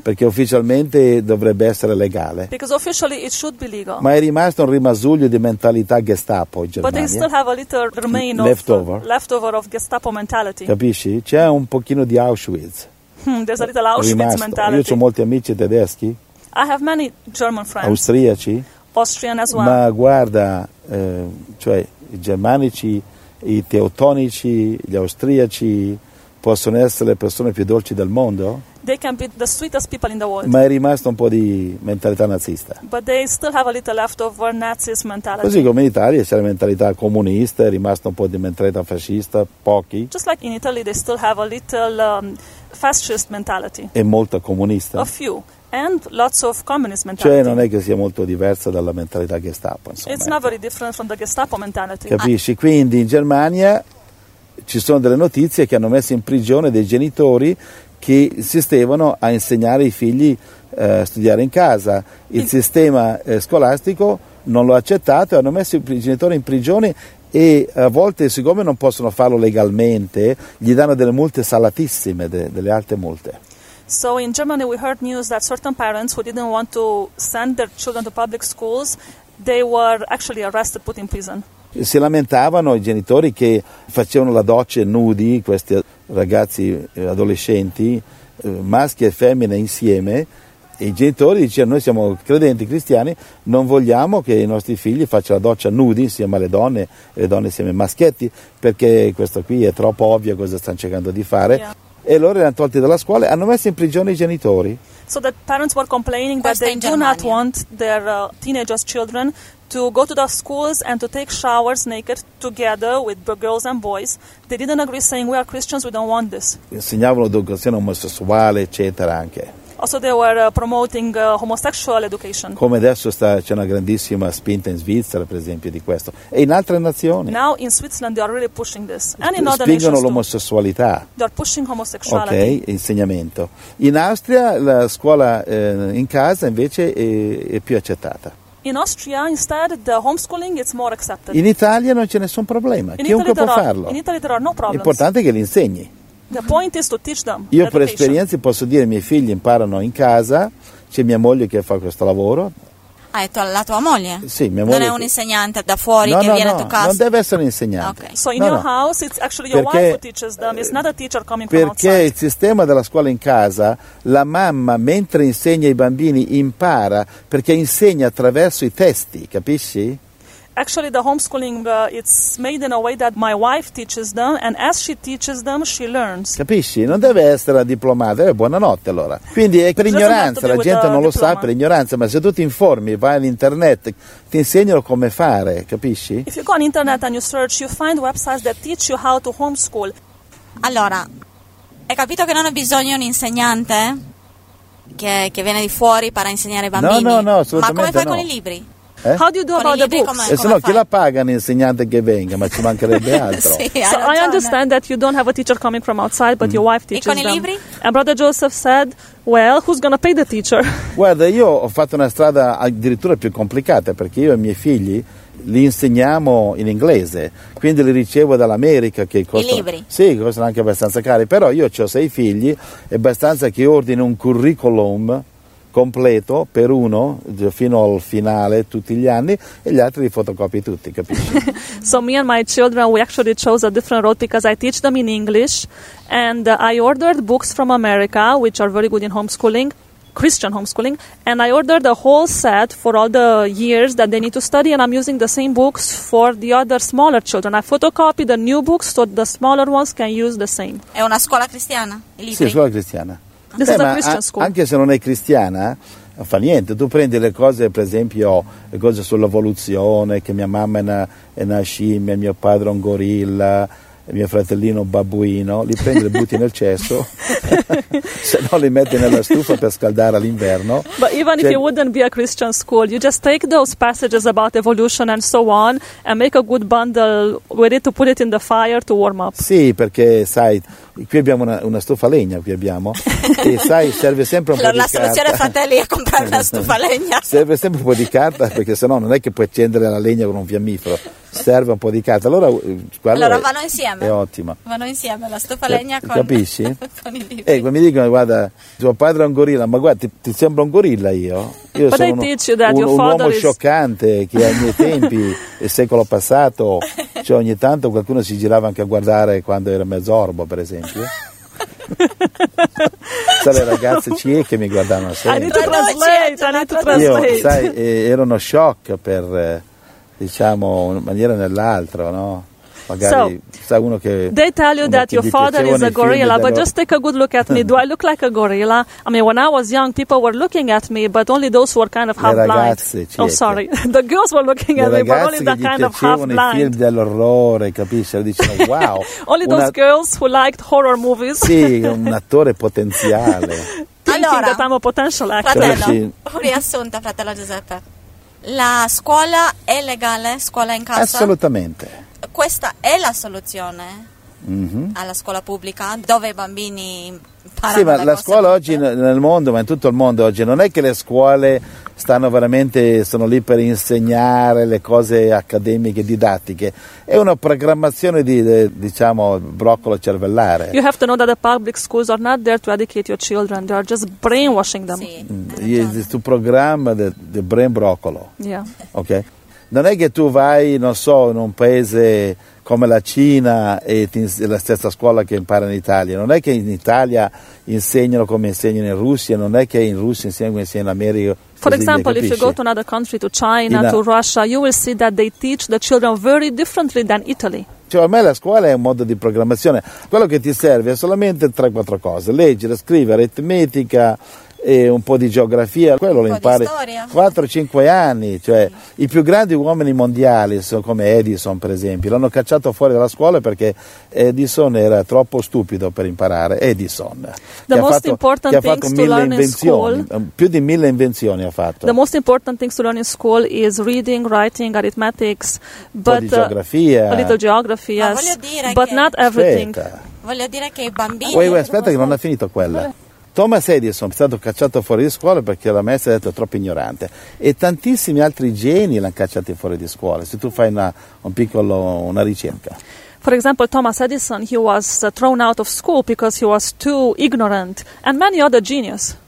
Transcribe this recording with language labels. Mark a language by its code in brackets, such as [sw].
[it] Perché ufficialmente dovrebbe essere legale. [en] Because officially it should be legal. [it] Ma è rimasto un rimasuglio di mentalità Gestapo in Germania. [en] But they still have a little remain of leftover of Gestapo mentality. [it] Capisci? C'è un pochino di Auschwitz. [en] There's a little Auschwitz [it] rimasto [en] mentality. [it] Io ho molti amici tedeschi. [en] I have many German friends. [it] Austriaci. [en] Austrian as well. [it] Ma guarda, cioè i germanici, i teutonici, gli austriaci possono essere le persone più dolci del mondo. [en] They can be the sweetest people in the world. [it] Ma è rimasto un po' di mentalità nazista. [en] But they still have a little left over Nazis mentality. [it] Così come in Italia c'è la mentalità comunista, è rimasto un po' di mentalità fascista, pochi. [en] Just like in Italy they still have a little fascist mentality. [it] E molto comunista. [en] A few. And lots of communist mentality. [it] Cioè non è che sia molto diversa dalla mentalità Gestapo, insomma. [en] It's not very different from the Gestapo mentality. [it] Capisci? Quindi in Germania ci sono delle notizie che hanno messo in prigione dei genitori che insistevano a insegnare i figli a studiare in casa. Il sistema scolastico non lo ha accettato e hanno messo i genitori in prigione e a volte, siccome non possono farlo legalmente, gli danno delle multe salatissime, delle alte multe. [en] So in Germany we heard news that certain parents who didn't want to send their children to public schools, they were actually arrested, put in prison. [it] Si lamentavano i genitori che facevano la doccia nudi, questi ragazzi adolescenti, maschi e femmine insieme, e i genitori dicevano: noi siamo credenti cristiani, non vogliamo che i nostri figli facciano la doccia nudi insieme alle donne e le donne insieme ai maschietti, perché questo qui è troppo ovvio cosa stanno cercando di fare. [en] Yeah. [it] E loro erano tolti dalla scuola, hanno messo in prigione i genitori. [en] So that parents were complaining that they do not want their teenagers' children to go to the schools and to take showers naked together with girls and boys. They didn't agree, saying, we are Christians, we don't want this. [it] Insegnavano educazione omosessuale, eccetera, anche. [en] Also they were promoting homosexual education. [it] Come adesso c'è una grandissima spinta in Svizzera, per esempio, di questo. E in altre nazioni. [en] Now in Switzerland they are really pushing this. And in other nations [it] spingono l'omosessualità. [en] They are pushing homosexuality. [it] Ok, insegnamento. In Austria la scuola in casa invece è più accettata. [en] In Austria, instead, the homeschooling is more accepted. [it] In Italia non c'è nessun problema, chiunque può farlo. [en] In Italy there are no problems. [it] L'importante è che li insegni. [en] The point is to teach them. [it] Io per esperienza posso dire: i miei figli imparano in casa, c'è mia moglie che fa questo lavoro. Ah, è la tua moglie? Sì, mia moglie. Non è un insegnante da fuori che viene a tua casa? No, non deve essere un insegnante. Okay. [en] So in your house it's actually your wife who teaches them, it's not a teacher coming from outside. [it] Perché il sistema della scuola in casa, la mamma mentre insegna i bambini impara, perché insegna attraverso i testi, capisci? [en] Actually, the homeschooling, it's made in a way that my wife teaches them, and as she teaches them, she learns. [it] Capisci? Non deve essere diplomata. Buonanotte, allora. Quindi è per ignoranza, la gente non lo sa per ignoranza, ma se tu ti informi, vai all'internet, ti insegnano come fare, capisci? [en] If you go on internet and you search, you find websites that teach you how to homeschool. [it] Allora, hai capito che non ho bisogno di un insegnante che viene di fuori per insegnare ai bambini? No, assolutamente no. Ma come fai con i libri? Eh? [en] How do you do about the books? [it] E se no, chi la paga un insegnante che venga? Ma ci mancherebbe altro. [en] Sì, so I understand that you don't have a teacher coming from outside, but your wife teaches them. [it] E con i libri? [en] And Brother Joseph said, well, who's going to pay the teacher? [it] Guarda, io ho fatto una strada addirittura più complicata, perché io e i miei figli li insegniamo in inglese, quindi li ricevo dall'America, che costa, i libri? Sì, costano anche abbastanza cari, però io ho 6 figli, è abbastanza che ordini un curriculum completo per uno fino al finale tutti gli anni e gli altri li fotocopi tutti, capisci? [en] So me and my children, we actually chose a different road because I teach them in English and I ordered books from America which are very good in homeschooling, Christian homeschooling, and I ordered a whole set for all the years that they need to study, and I'm using the same books for the other smaller children. I photocopy the new books so the smaller ones can use the same. [it] È una scuola cristiana? I libri? Sì, scuola cristiana. [en] This is a Christian school. [it] Anche se non è cristiana, fa niente. Tu prendi le cose, per esempio, le cose sull'evoluzione, che mia mamma è una scimmia, mio padre è un gorilla, mio fratellino babbuino, li prendi e butti nel cesso, se no li metti nella stufa per scaldare all'inverno. [en] But even if it wouldn't be a Christian school, you just take those passages about evolution and so on and make a good bundle with it to put it in the fire to warm up. [it] Sì, perché sai, qui abbiamo una stufa legna, qui abbiamo, e sai, serve sempre un po' di carta. La soluzione, fratelli, è comprare la stufa legna. Serve sempre un po' di carta, perché se no non è che puoi accendere la legna con un fiammifero. Serve un po' di carta, allora vanno insieme. È ottima. Vanno insieme la stufa legna con, capisci? Con i libri. Mi dicono, guarda, tuo padre è un gorilla, ma guarda, ti sembra un gorilla io? Io [en] but [it] sono un uomo [en] is... [it] scioccante che ai miei tempi, il secolo passato, cioè ogni tanto qualcuno si girava anche a guardare quando era mezz'orbo, per esempio. Le ragazze cieche mi guardavano sempre. [en] I need to translate. [it] Io, sai, ero uno shock per... diciamo in maniera nell'altra, no? Magari sa uno che [en] they tell you that your father is a gorilla, but just take a good look at me. Do I look like a gorilla? I mean, when I was young, people were looking at me, but only those who were kind of half blind. The girls were looking at me, but only the kind of half blind. [it] Le ragazze che gli piacevano i film dell'orrore, capisci? Dicono wow. [en] Only those girls who liked horror movies. [it] Sì, un attore potenziale. Allora, [en] that I'm a potential actor. [it] Fratello, riassunta, fratello Giuseppe. La scuola è legale, scuola in casa? Assolutamente. Questa è la soluzione alla scuola pubblica, dove i bambini imparano. Sì, ma la scuola oggi nel mondo, ma in tutto il mondo oggi, non è che le scuole stanno veramente, sono lì per insegnare le cose accademiche, didattiche. È una programmazione di, diciamo, broccolo cervellare. [en] You have to know that the public schools are not there to educate your children, they are just brainwashing them. [it] Sì, tu programma del brain broccolo. [en] Yeah. [it] Ok? Non è che tu vai, non so, in un paese come la Cina e la stessa scuola che impara in Italia. Non è che in Italia insegnano come insegnano in Russia, non è che in Russia insegnano come insegnano in America. [en] For example, if you go to another country, to China, to Russia, you will see that they teach the children very differently than Italy. [it] Cioè, a me la scuola è un modo di programmazione. Quello che ti serve è solamente 3-4 cose. Leggere, scrivere, aritmetica e un po' di geografia. Quello lo impari 4-5 anni. Cioè, i più grandi uomini mondiali, come Edison, per esempio, l'hanno cacciato fuori dalla scuola perché Edison era troppo stupido per imparare. Edison. [en] The most important things to learn in school. [it] Più di 1000 invenzioni ha fatto. [en] The most important things to learn in school is reading, writing, arithmetics, but [it] un po' di geografia. [en] A little geography, yes. But not everything. [it] Voglio dire che i bambini. Aspetta, che non ha finito quella. Thomas Edison è stato cacciato fuori di scuola perché la maestra ha detto troppo ignorante, e tantissimi altri geni l'hanno cacciato fuori di scuola, se tu fai una ricerca. [en] For example, Thomas Edison, he was thrown out of school because he was too ignorant, and many other genius.